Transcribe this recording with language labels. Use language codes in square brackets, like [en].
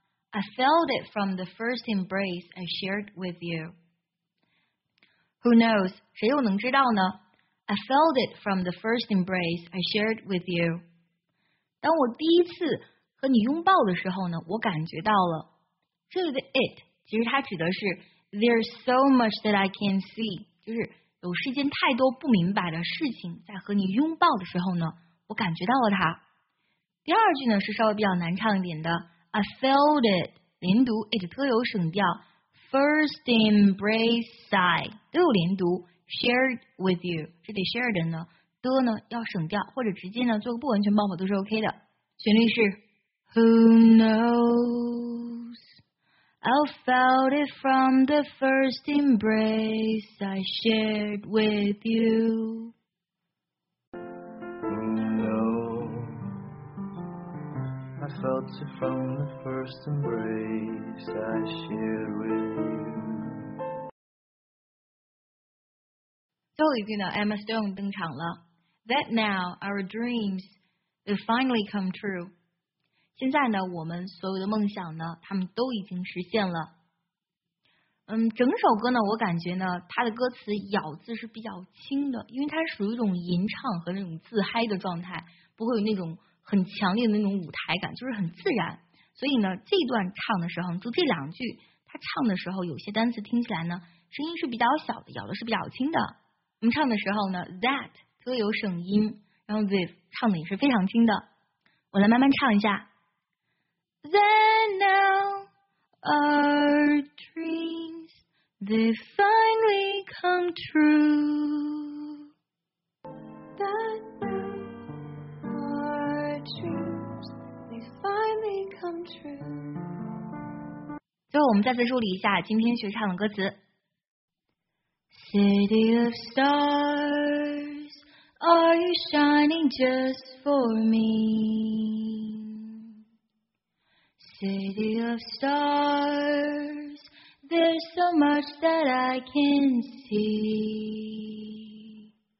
[en] I felt it from the first embrace I shared with you. Who knows? [zh] 谁又能知道呢？ [en] I felt it from the first embrace I shared with you. [zh] 当我第一次和你拥抱的时候呢，我感觉到了。这里的 it 其实它指的是 [en] There's so much that I can see， [zh] 就是有世间太多不明白的事情，在和你拥抱的时候呢，我感觉到了它。第二句呢是稍微比较难唱一点的 [en] I felt it， [zh] 连读 it 特有省调。 [en] First embrace [zh] side 都有连读 [en] shared with you， [zh] 这里 shared 呢的呢要省掉，或者直接呢做个不完全爆破都是 OK 的。旋律是 [en] Who knows? I felt it from the first embrace I shared with you. Who knows? I felt it from the first embrace I shared with you. [zh] 最后一句呢 ，Emma Stone 登场了。 [en] That now our dreams will finally come true。 [zh] 现在呢，我们所有的梦想呢，他们都已经实现了。嗯，整首歌呢，我感觉呢，它的歌词咬字是比较轻的，因为它属于一种吟唱和那种自嗨的状态，不会有那种很强烈的那种舞台感，就是很自然。所以呢，这段唱的时候，就这两句，他唱的时候，有些单词听起来呢，声音是比较小的，咬的是比较轻的。我们唱的时候呢 ，that 特有省音，然后 with 唱的也是非常轻的。我来慢慢唱一下。 [en] Then now our dreams。 they finally come true. That our dreams, they finally come true. [zh] 最后我们再次梳理一下今天学唱的歌词。 [en] City of stars, are you shining just for me? City of stars, there's so much that I can see.